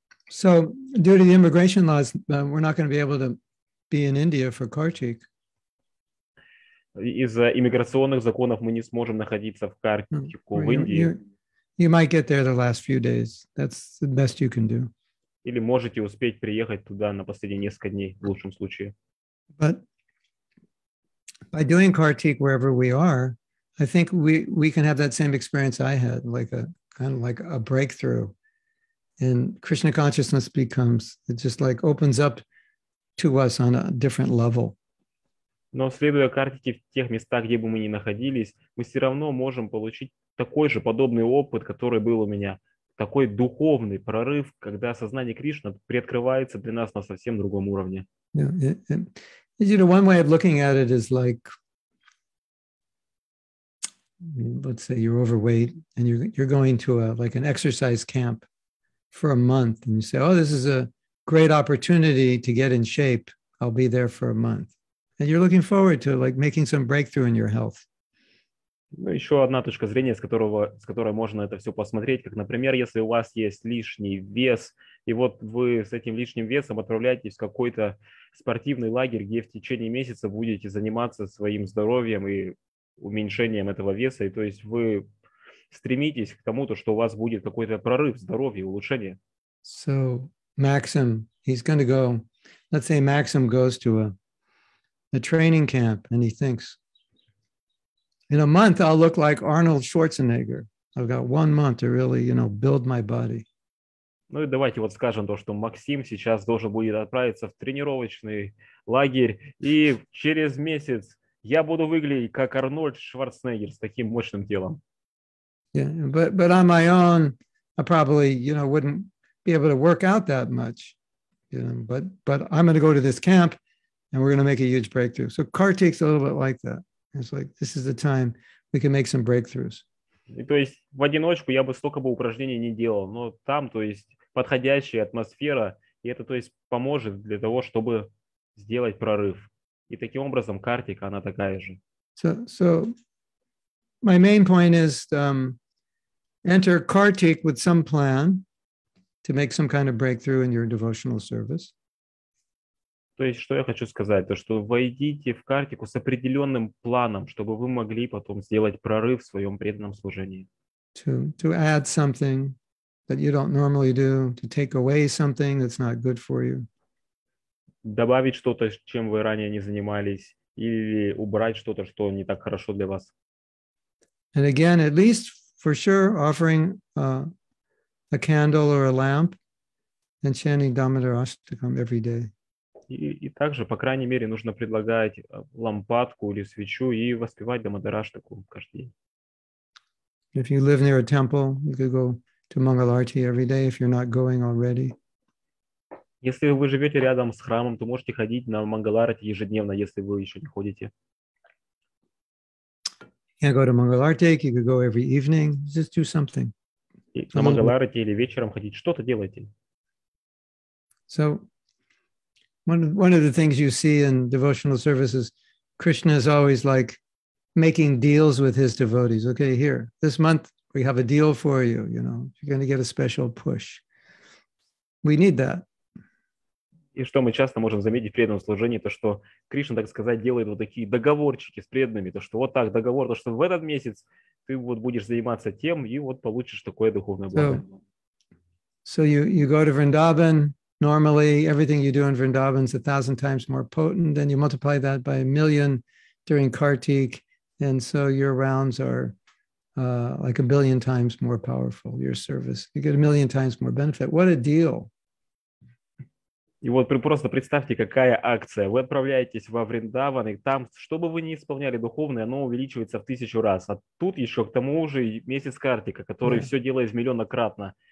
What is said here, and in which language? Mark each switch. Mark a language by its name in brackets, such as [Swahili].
[English] So, due to the immigration laws, we're not going to be able to be in India for Kartik. [Russian] Из-за иммиграционных законов мы не сможем находиться в Картику в Индии. [English] You might get there the last few days. That's the best you can do. [Russian] Или можете успеть приехать туда на последние несколько дней, в лучшем случае. [English] But by doing Kartik wherever we are, I think we can have that same experience I had, like a kind of like a breakthrough. And Krishna consciousness becomes, it just like opens up to us on a different level. [Russian] Но следуя Картике в тех местах, где бы мы ни находились, мы все равно можем получить такой же подобный опыт, который был у меня. Такой духовный прорыв, когда сознание Кришны приоткрывается для нас на совсем другом уровне. [English] Yeah, it, you know, one way of looking at it is like, let's say you're overweight and you're going to a, like an exercise camp for a month and you say, oh, this is a great opportunity to get in shape. I'll be there for a month. And you're looking forward to like making some breakthrough in your health. [Russian] Ну, еще одна точка зрения, с которой можно это все посмотреть, как, например, если у вас есть лишний вес, и вот вы с этим лишним весом отправляетесь в какой-то спортивный лагерь, где в течение месяца будете заниматься своим здоровьем и уменьшением этого веса, и то есть вы стремитесь к тому, то, что у вас будет какой-то прорыв здоровья, улучшение. [English] So, Maxim, he's going to go, let's say Maxim goes to a training camp, and he thinks, in a month, I'll look like Arnold Schwarzenegger. I've got 1 month to really, you know, build my body. [Russian] Ну и давайте вот скажем то, что Максим сейчас должен будет отправиться в тренировочный лагерь, и через месяц я буду выглядеть как Арнольд Шварценеггер с таким мощным телом. [English] Yeah, but on my own, I probably, you know, wouldn't be able to work out that much. You know, but I'm going to go to this camp, and we're going to make a huge breakthrough. So Kartik's a little bit like that. It's like this is the time we can make some breakthroughs. [Russian] И то есть в одиночку я бы столько бы упражнений не делал, но там, то есть подходящая атмосфера, и это, то есть, поможет для того, чтобы сделать прорыв. И таким образом Картика, она такая же. [English] So my main point is enter Kartik with some plan to make some kind of breakthrough in your devotional service. [Russian] То есть, что я хочу сказать, то, что войдите в Картику с определенным планом, чтобы вы могли потом сделать прорыв в своем преданном служении. [English] To add something that you don't normally do, to take away something that's not good for you. [Russian] Добавить что-то, чем вы ранее не занимались, или убрать что-то, что не так хорошо для вас. [English] And again, at least for sure, offering a candle or a lamp and chanting Damodara Ashtakam every day. [Russian] И также, по крайней мере, нужно предлагать лампадку или свечу и воспевать Дамодараштаку каждый день. [English] If you live near a temple, you could go to Mangalarti every day if you're not going already. [Russian] Если вы живете рядом с храмом, то можете ходить на Мангаларти ежедневно, если вы еще не ходите. [English] You can go to Mangalarti, you could go every evening, just do something. [Russian] На Мангаларти или вечером ходить, что-то делайте. [English] So, One of the things you see in devotional services, Krishna is always like making deals with his devotees. Okay, here, this month we have a deal for you, you know, you're going to get a special push. We need that. [Russian] И что мы часто можем заметить в преданном служении, то что Кришна, так сказать, делает вот такие договорчики с преданными, то что вот так договор, то что в этот месяц ты вот будешь заниматься тем, и вот получишь такое духовное благо. [English] So you go to Vrindavan. Normally, everything you do in Vrindavan is 1,000 times more potent, then you multiply that by a million during Kartik, and so your rounds are like a billion times more powerful, your service. You get a million times more benefit. What a deal! [Russian] И вот просто представьте, какая акция. Вы отправляетесь во Вриндаван, и там, что бы вы ни исполняли духовное, оно увеличивается в 1000 раз. А тут еще к тому же месяц Картика, который все делает миллионократно.